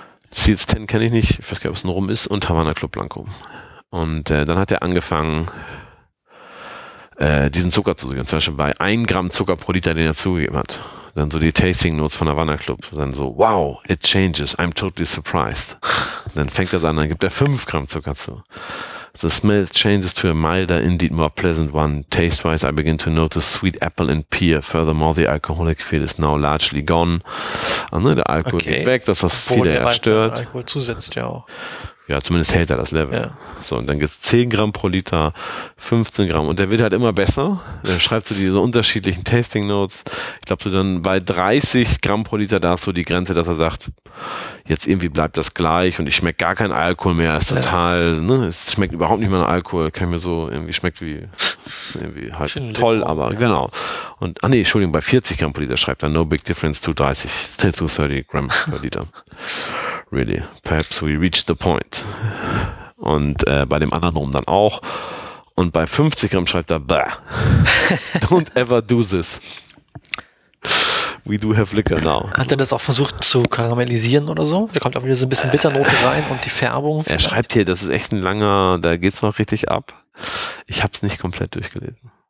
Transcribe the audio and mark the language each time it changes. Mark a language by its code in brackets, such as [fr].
[de] Seals 10 kenne ich nicht. Ich weiß gar nicht, ob es ein Rum ist. Und Havanna Club Blanco. Und dann hat er angefangen, diesen Zucker zu suchen. Zum Beispiel bei 1 Gramm Zucker pro Liter, den er zugegeben hat. Dann so die Tasting Notes von Havanna Club. Dann so, [en] wow, it changes. I'm totally surprised. [de] Und dann fängt er an, dann gibt er 5 Gramm Zucker zu. [en] The smell changes to a milder, indeed more pleasant one. Taste-wise, I begin to notice sweet apple and pear. Furthermore, the alcoholic feel is now largely gone. [de] Also, ne, der Alkohol geht weg, das was viele ja stört. Alkohol zusetzt ja auch. Ja, zumindest hält er das Level. Ja. So, und dann gibt es 10 Gramm pro Liter, 15 Gramm. Und der wird halt immer besser. Dann schreibst du diese unterschiedlichen Tasting Notes. Ich glaube, so dann bei 30 Gramm pro Liter, da hast du die Grenze, dass er sagt, jetzt irgendwie bleibt das gleich und ich schmecke gar keinen Alkohol mehr. Ist total, ne, es schmeckt überhaupt nicht mehr nach Alkohol. Kann ich mir so irgendwie schmeckt wie irgendwie halt schön toll, Lippen, aber ja. Genau. Und, ah nee, Entschuldigung, bei 40 Gramm pro Liter schreibt er [en] no big difference to 30, [de] to 30 Gramm pro Liter. [en] Really, perhaps we reached the point. [de] Und bei dem anderen rum dann auch. Und bei 50 Gramm schreibt er, bah, [en] don't ever do this. We do have liquor now. [de] Hat er das auch versucht zu karamellisieren oder so? Da kommt auch wieder so ein bisschen Bitternote rein und die Färbung. Vielleicht? Er schreibt hier, das ist echt ein langer, da geht's noch richtig ab. Ich habe es nicht komplett durchgelesen.